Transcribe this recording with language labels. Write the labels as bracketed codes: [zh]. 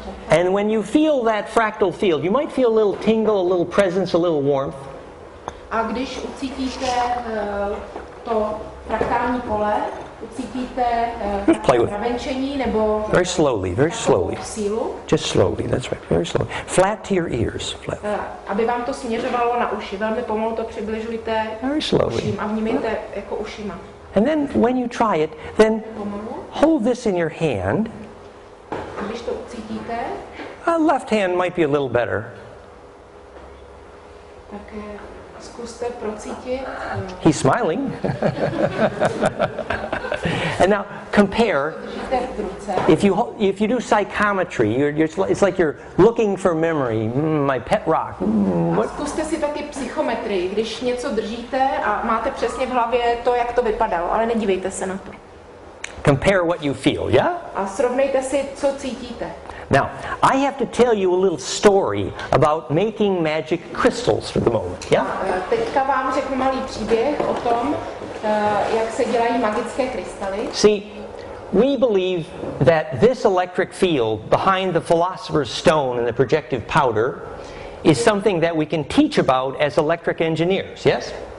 [en] And when you feel that fractal field, you might feel a little tingle, a little presence, a little warmth. [cs] A když ucítíte to fraktální pole, ucítíte pravenčení nebo [en] very slowly, very slowly. Just slowly, that's right. Very slowly. Flat to your ears. Flat. [cs] Aby vám to směřovalo na uši, velmi pomalu to přibližujte uším a vnímejte jako ušima. [en] And then when you try it, then hold this in your hand. [cs] Když to ucítíte, [en] a left hand might be a little better. [cs] Tak zkuste procítit. [en] He's smiling. And now compare. If you do psychometry, it's like you're looking for memory. My pet rock. [cs] A zkuste si taky psychometrii, když něco držíte a máte přesně v hlavě to, jak to vypadalo, ale nedívejte se na to. [en] Compare what you feel, yeah? [cs] A srovnejte si, co cítíte. [en] Now, I have to tell you a little story about making magic crystals for the moment, yeah? [cs] Teďka vám řeknu malý příběh o tom, jak se dělají magické krystaly. [en] See, we believe that this electric field behind the philosopher's stone and the projective powder is something that we can teach about as electric engineers, yes?